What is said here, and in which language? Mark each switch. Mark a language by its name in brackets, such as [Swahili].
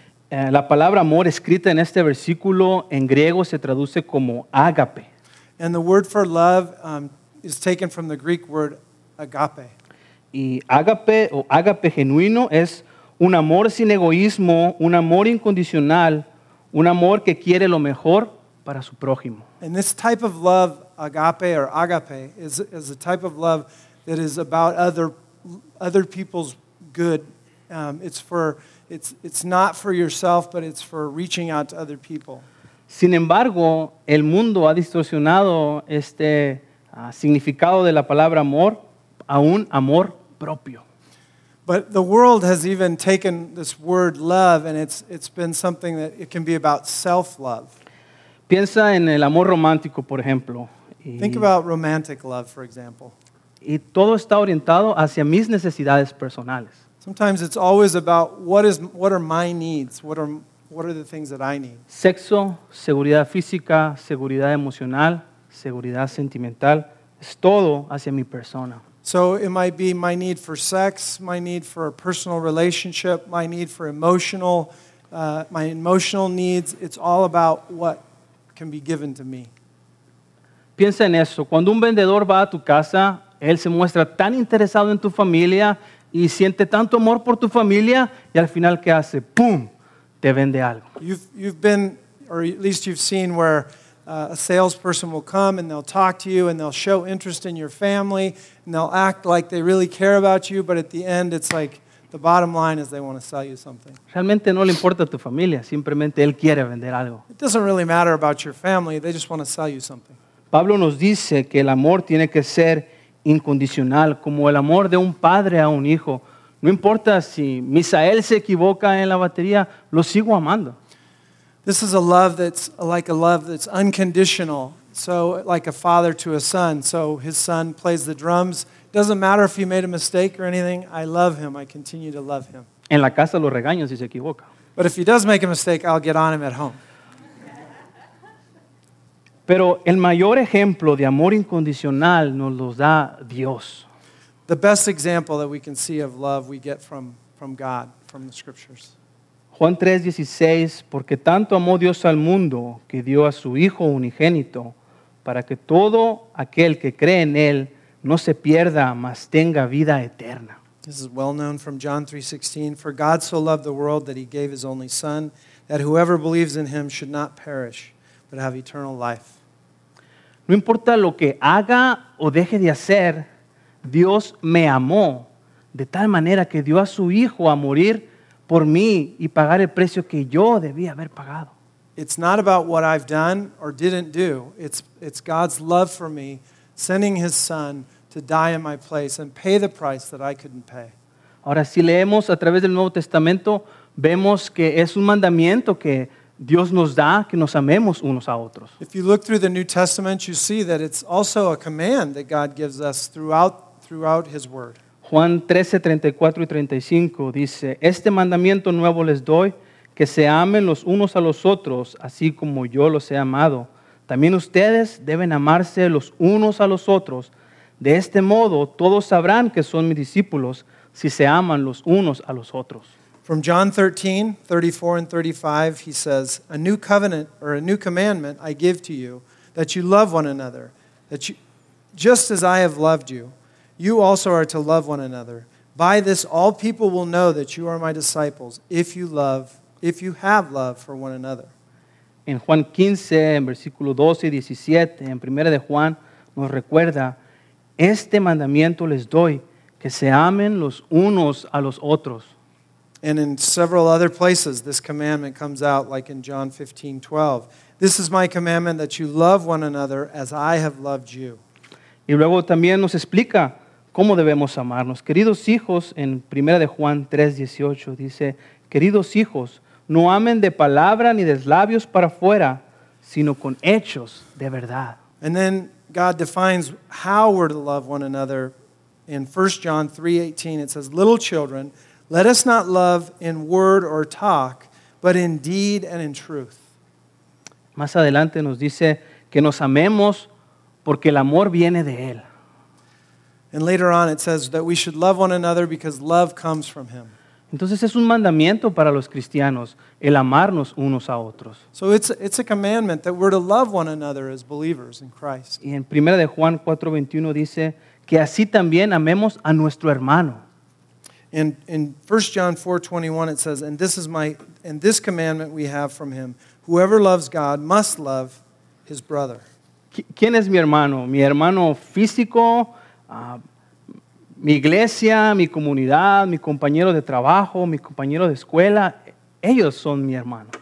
[Spanish] La palabra amor escrita en este versículo en griego se traduce como ágape. [English] And the word for love is taken from the Greek word agape. [Spanish] Y ágape o ágape genuino es un amor sin egoísmo, un amor incondicional, un amor que quiere lo mejor para su prójimo. [English] And this type of love, agape or ágape, is a type of love that is about other people's good. It's for It's not for yourself, but it's for reaching out to other people. [Spanish] Sin embargo, el mundo ha distorsionado este significado de la palabra amor a un amor propio. [English] But the world has even taken this word love, and it's been something that it can be about self-love. [Spanish] Piensa en el amor romántico, por ejemplo. [English] Think about romantic love, for example. [Spanish] Y todo está orientado hacia mis necesidades personales. [English] Sometimes it's always about what are my needs, what are the things that I need. [Spanish] Sexo, seguridad física, seguridad emocional, seguridad sentimental, es todo hacia mi persona. [English] So it might be my need for sex, my need for a personal relationship, my need for my emotional needs. It's all about what can be given to me. [Spanish] Piensa en eso. Cuando un vendedor va a tu casa, él se muestra tan interesado en tu familia y siente tanto amor por tu familia y al final, ¿qué hace? ¡Pum! Te vende algo. [English] You've been, or at least you've seen where a salesperson will come and they'll talk to you and they'll show interest in your family and they'll act like they really care about you, but at the end it's like the bottom line is they want to sell you something. [Spanish] Realmente no le importa tu familia, simplemente él quiere vender algo. [English] It doesn't really matter about your family, they just want to sell you something. [Spanish] Pablo nos dice que el amor tiene que ser incondicional, como el amor de un padre a un hijo. No importa si Misael se equivoca en la batería, lo sigo amando. [English] This is a love that's like a love that's unconditional. So like a father to a son. So his son plays the drums. Doesn't matter if he made a mistake or anything. I love him. I continue to love him. [Spanish] En la casa lo regaño si se equivoca. [English] But if he does make a mistake, I'll get on him at home. [Spanish] Pero el mayor ejemplo de amor incondicional nos lo da Dios. [English] The best example that we can see of love we get from God, from the scriptures. [Spanish] Juan 3:16, porque tanto amó Dios al mundo que dio a su Hijo unigénito para que todo aquel que cree en Él no se pierda, mas tenga vida eterna. [English] This is well known from John 3:16, for God so loved the world that He gave His only Son, that whoever believes in Him should not perish, but have eternal life. [Spanish] No importa lo que haga o deje de hacer, Dios me amó de tal manera que dio a su Hijo a morir por mí y pagar el precio que yo debía haber pagado. [English] It's not about what I've done or didn't do. It's God's love for me sending His Son to die in my place and pay the price that I couldn't pay. [Spanish] Ahora, si leemos a través del Nuevo Testamento, vemos que es un mandamiento que Dios nos da que nos amemos unos a otros. [English] If you look through the New Testament, you see that it's also a command that God gives us throughout His Word. [Spanish] Juan 13:34 y 35 dice, este mandamiento nuevo les doy, que se amen los unos a los otros, así como yo los he amado. También ustedes deben amarse los unos a los otros. De este modo, todos sabrán que son mis discípulos, si se aman los unos a los otros. [English] From John 13:34 and 35, he says, a new covenant or a new commandment I give to you, that you love one another, that you, just as I have loved you, you also are to love one another. By this, all people will know that you are my disciples, if you have love for one another. [Spanish] En Juan 15, en versículo 12 y 17, en primera de Juan, nos recuerda, este mandamiento les doy, que se amen los unos a los otros. [English] And in several other places, this commandment comes out, like in John 15:12. This is my commandment, that you love one another as I have loved you. [Spanish] Y luego también nos explica cómo debemos amarnos. Queridos hijos, en primera de Juan 3:18 dice, queridos hijos, no amen de palabra ni de labios para afuera, sino con hechos de verdad. [English] And then God defines how we're to love one another. In 1 John 3:18, it says, little children, let us not love in word or talk, but in deed and in truth. [Spanish] Más adelante nos dice que nos amemos porque el amor viene de Él. [English] And later on it says that we should love one another because love comes from Him. [Spanish] Entonces es un mandamiento para los cristianos, el amarnos unos a otros. [English] So it's a commandment that we're to love one another as believers in Christ. [Spanish] Y en 1 de Juan 4:21 dice que así también amemos a nuestro hermano. [English] In 1 John 4:21 it says, and this commandment we have from Him, whoever loves God must love his brother. [Spanish] ¿Quién es mi hermano? Mi hermano físico, mi iglesia, mi comunidad, mi compañero de trabajo, mi compañero de escuela, ellos son mi hermano.